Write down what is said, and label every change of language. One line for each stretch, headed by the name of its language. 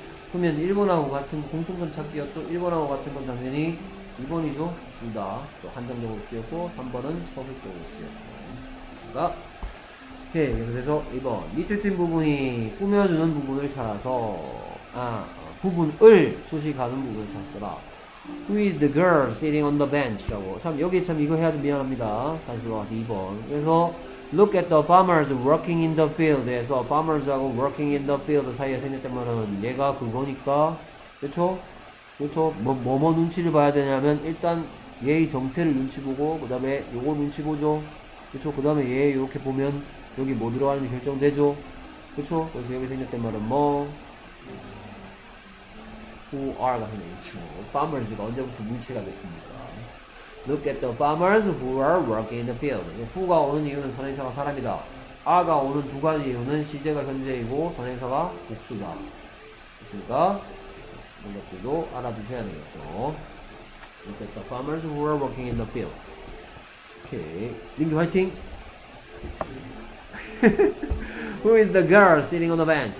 Korean: 그러면 1번하고 같은 공통점 찾기였죠. 1번하고 같은 건 당연히 2번이죠. 둘 다 한정적으로 쓰였고 3번은 서술적으로 쓰였죠. 그러니까 네, 그래서 2번 밑줄 친 부분이 꾸며주는 부분을 찾아서 부분을 수식하는 부분을 찾았어라.
English: Who is the girl sitting on the bench?
Korean: 라고. 참 여기 참 이거 해야 좀 미안합니다. 다시 돌아가서 2번. 그래서
English: Look at the farmers working in the field.
Korean: 에서 farmers하고
English: working in the field
Korean: 사이에 생겼다면은 얘가 그거니까 그렇죠? 그렇죠? 뭐 눈치를 봐야 되냐면 일단 얘의 정체를 눈치 보고 그 다음에 요거 눈치 보죠. 그렇죠? 그 다음에 얘 이렇게 보면 여기 뭐 들어가는지 결정되죠. 그렇죠? 그래서 여기 생겼던 말은 뭐
English: Who are
Korean: 가 생겼죠. Farmers가 언제부터 문체가 됐습니까?
English: Look at the farmers who are working in the field.
Korean: Who가 오는 이유는 선행사가 사람이다. Are가 오는 두 가지 이유는 시제가 현재이고 선행사가 복수다. 됐습니까? 이런 것들도 알아두셔야 되겠죠.
English: Look at the farmers who are working in the field.
Korean: 오케이. 링크 화이팅!
English: Who is the girl sitting on the bench?